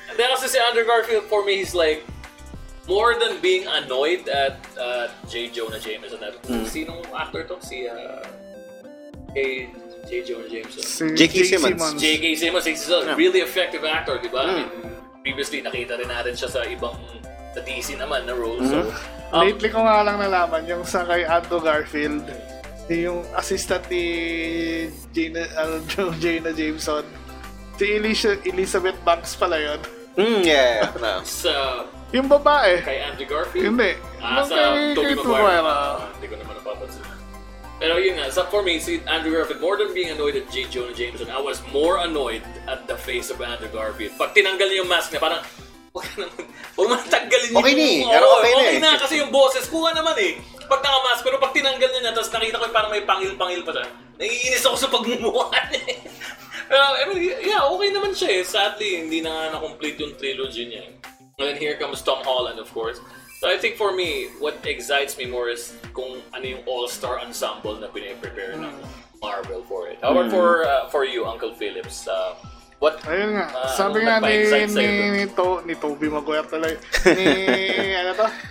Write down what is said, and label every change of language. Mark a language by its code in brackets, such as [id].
[en] Then also si Andrew Garfield for me, he's like more than being annoyed at J. [tl] Jonah Jameson. Sino actor to? Si J. Jonah Jameson. [en] J.K. Simmons. J.K. Simmons. He's a really effective actor, [tl] di ba? Previously, nakita rin natin siya sa ibang sa DC naman na role. [en] So, [tl] lately ko nga lang nalaman yung sa kay Andrew Garfield, yung assistant ni Jaina Jameson. Si Elizabeth Banks pala yun. [en] So, [tl] yung babae. Kay Andrew Garfield? Hindi. Kay Tobey Maguire. Hindi ko naman napapansin. Pero yun nga, [en] so for me, si Andrew Garfield, more than being annoyed at J. Jonah Jameson, I was more annoyed at the face of Andrew Garfield. [tl] Pag tinanggal niya yung mask niya, parang, huwag naman tanggalin niyo. Okay ni, na kasi yung boses, kuha naman eh. Pag nakamask ko, pag tinanggal niya, tapos nakita ko parang may pangil-pangil pa siya, naiinis ako sa pagmumuha niya. [en] I mean, yeah, [tl] okay naman siya eh. Sadly, hindi na nga na-complete yung trilogy niya. [en] And then here comes Tom Holland, of course. So I think for me, what excites me more is [tl] kung ano yung [en] all-star ensemble [tl] na pinaprepare ng [en] Marvel for it. However, for you, Uncle Phillips, what? [tl] Ayun nga, sabi nga ni Tobey Maguire talay, ni ano to?